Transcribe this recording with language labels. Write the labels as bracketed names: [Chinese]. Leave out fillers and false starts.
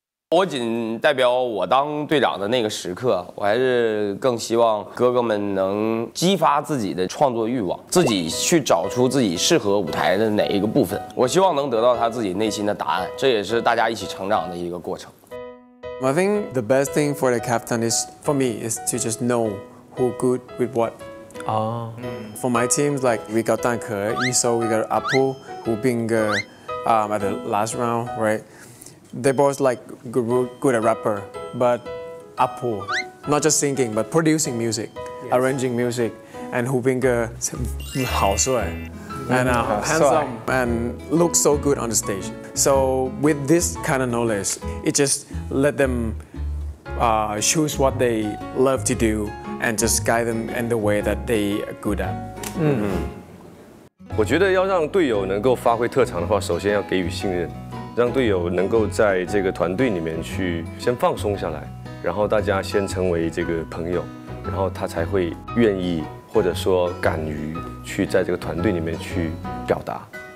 [Chinese] 我仅代表我当队长的那个时刻，我还是更希望哥哥们能激发自己的创作欲望，自己去找出自己适合舞台的哪一个部分，我希望能得到他自己内心的答案，这也是大家一起成长的一个过程。 [English] I think the best thing for the captain is, for me, is to just know who good with what. Oh. For my team, like, we got 蛋壳, E.SO, we got Apu, who being at the last round, right? They're both like good at rapper, but Apu, not just singing, but producing music, yes. Arranging music, and who being [Chinese] 好帅, [English] and handsome, and look so good on the stage. So with this kind of knowledge, it just let them choose what they love to do and just guide them in the way that they are good at. [Chinese] 我觉得要让队友能够发挥特长的话，首先要给予信任，让队友能够在这个团队里面去先放松下来，然后大家先成为这个朋友，然后他才会愿意或者说敢于去在这个团队里面去表达。